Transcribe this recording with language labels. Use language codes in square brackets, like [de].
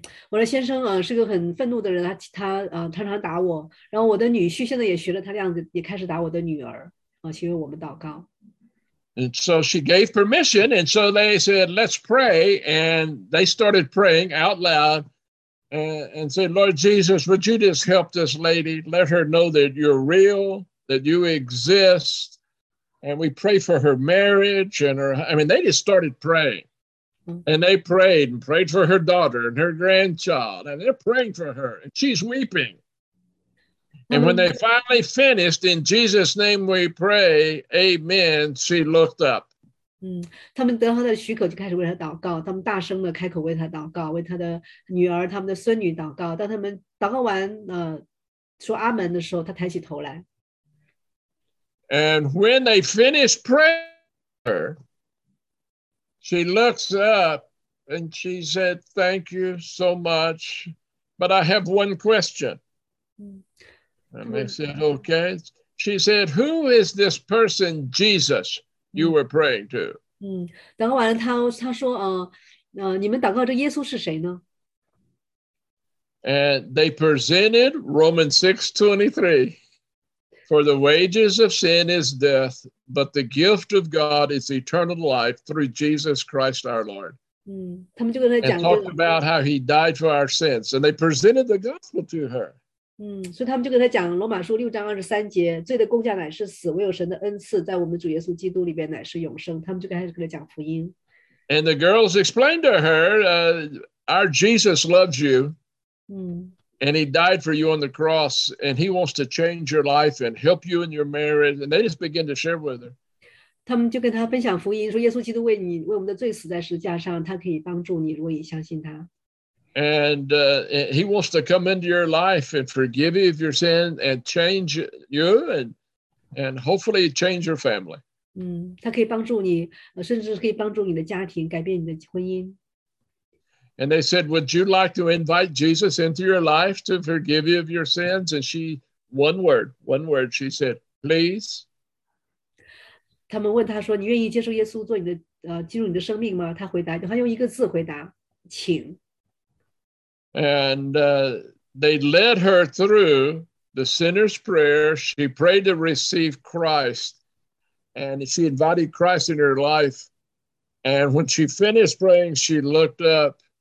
[zh] 我的先生是个很愤怒的人他常常打我然后我的女婿现在也学了他这样子也开始打我的女儿请为我们祷告。 [en] And so she gave permission, and so they said, let's pray, and they started praying out loud and said, Lord Jesus, would you just help this lady? Let her know that you're real, that you exist, and we pray for her marriage and her, I mean, they just started praying. And they prayed and prayed for her daughter and her grandchild. And they're praying for her. And she's weeping. And when they finally finished, in Jesus' name we pray, amen, she looked up. [zh] 他们得到的许可就开始为她祷告。他们大声的开口为她祷告，为她的女儿、他们的孙女祷告。当他们祷告完，说阿门的时候，她抬起头来。 [en] And when they finished prayer,She looks up and she said, thank you so much, but I have one question. And they said, okay. She said, who is this person, Jesus, you were praying to? [zh] 等完了她说你们祷告这耶稣是谁呢？ [en] And they presented Romans 6:23. For the wages of sin is death, but the gift of God is eternal life through Jesus Christ our Lord. [zh] 他们就跟他讲， [en] and talked about how he died for our sins. And they presented the gospel to her. [zh] 所以他们就跟他讲罗马书六章二十三节，罪的工价乃是死，唯有神的恩赐在我们主耶稣基督里边乃是永生。他们就开始跟他讲福音。 [en] And the girls explained to her, our Jesus loves you. And he died for you on the cross. And he wants to change your life and help you in your marriage. And they just began to share with her. [zh] 他们就跟他分享福音，说耶稣基督为你，为我们的罪死在十字架上，他可以帮助你，如果你相信他。 [en] And he wants to come into your life and forgive you of your sin and change you and hopefully change your family. [zh] 他可以帮助你，甚至可以帮助你的家庭，改变你的婚姻。 [en] And they said, would you like to invite Jesus into your life to forgive you of your sins? And she, one word, she said, please. [zh] 他们问他说，你愿意接受耶稣做你的，进入你的生命吗？他回答，他用一个字回答，请。 [en] And they led her through the sinner's prayer. She prayed to receive Christ. And she invited Christ in her life. And when she finished praying, she looked up.